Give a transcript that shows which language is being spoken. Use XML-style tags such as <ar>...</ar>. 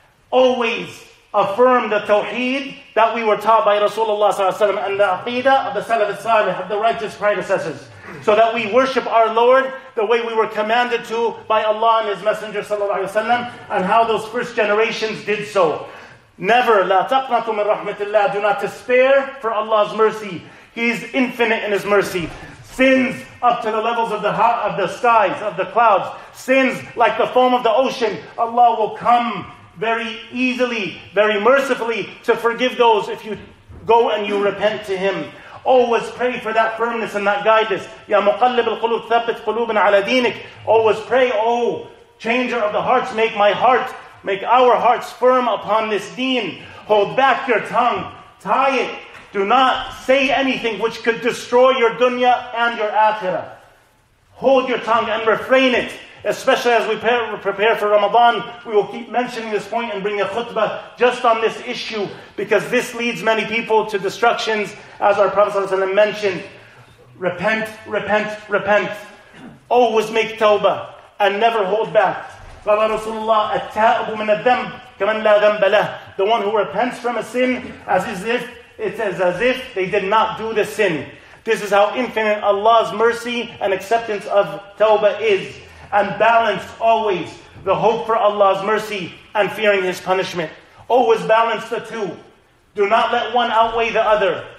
<en>Always affirm the tawheed that we were taught by Rasulullah sallallahu alaihi wasallam and the aqidah of the salaf al-salih, of the righteous predecessors, so that we worship our Lord the way we were commanded to by Allah and His Messenger sallallahu alaihi wasallam, and how those first generations did so.</en> <ar>Never, لا تقنطوا من رحمة الله.</ar> <en>Do not despair for Allah's mercy. He is infinite in His mercy. Sins up to the levels of the skies, of the clouds. Sins like the foam of the ocean. Allah will come very easily, very mercifully to forgive those if you go and you repent to Him. Always pray for that firmness and that guidance.</en> <ar>يا مقلب القلوب ثبت قلوبنا على دينك.</ar> <en>Always pray, oh, changer of the hearts, make my heart, make our hearts firm upon this deen. Hold back your tongue. Tie it. Do not say anything which could destroy your dunya and your akhirah. Hold your tongue and refrain it. Especially as we prepare for Ramadan, we will keep mentioning this point and bring a khutbah just on this issue, because this leads many people to destructions, as our Prophet ﷺ mentioned. Repent, repent, repent. Always make tawbah and never hold back.</en> <ar>قال رسول الله التائب من الذنب كمن لا ذنب له.</ar> <en>The one who repents from a sin, as if they did not do the sin. This is how infinite Allah's mercy and acceptance of tawbah is, and balanced always the hope for Allah's mercy and fearing His punishment. Always balance the two. Do not let one outweigh the other.</en>